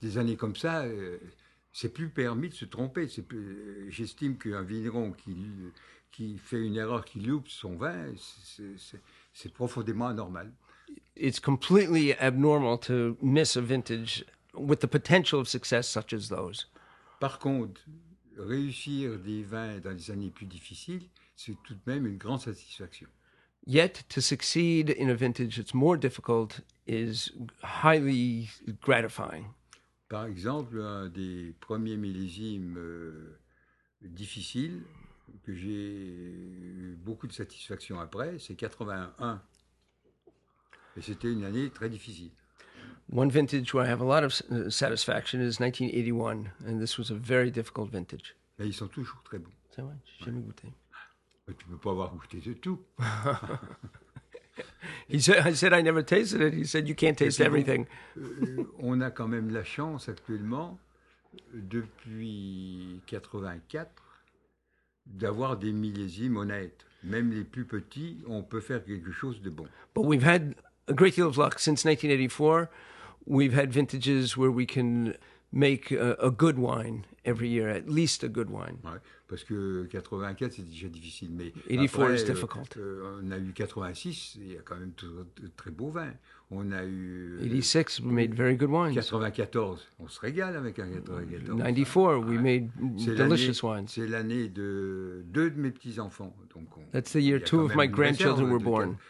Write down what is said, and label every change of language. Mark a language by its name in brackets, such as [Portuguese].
[French] Des années comme ça, c'est plus permis de se tromper. J'estime qu'un vigneron qui fait une erreur, qui loupe son vin, c'est profondément anormal. [English] It's completely abnormal to miss a vintage with the potential of success such as those. [French] Par contre, réussir des vins dans des années plus difficiles, c'est tout de même une grande satisfaction. [English] Yet, to succeed in a vintage that's more difficult is highly gratifying. [French] Par exemple, un des premiers millésimes difficiles que j'ai eu beaucoup de satisfaction après, c'est 81. Et c'était une année très difficile. [English] One vintage where I have a lot of satisfaction is 1981, and this was a very difficult vintage. [French] Mais ils sont toujours très bons. C'est vrai, j'ai jamais goûté. Mais tu ne peux pas avoir goûté de tout. [English] I said I never tasted it. He said you can't taste everything. [French] On a quand même la chance actuellement, depuis 84, d'avoir des millésimes honnêtes. Même les plus petits, on peut faire quelque chose de bon. [English] But we've had a great deal of luck since 1984. We've had vintages where we can make a good wine every year, at least a good wine. [French] Ouais, parce que 84, c'est déjà difficile, mais 84 après, [English] is difficult. [French] On a eu 86, il y a quand même de très beaux vins. On a eu [English] 86, we made very good wines. [French] 94, on se régale avec un 94. 94, hein. [English] We made delicious wines. [French] C'est l'année de deux de mes petits-enfants. [English] That's the year two of my grandchildren were born.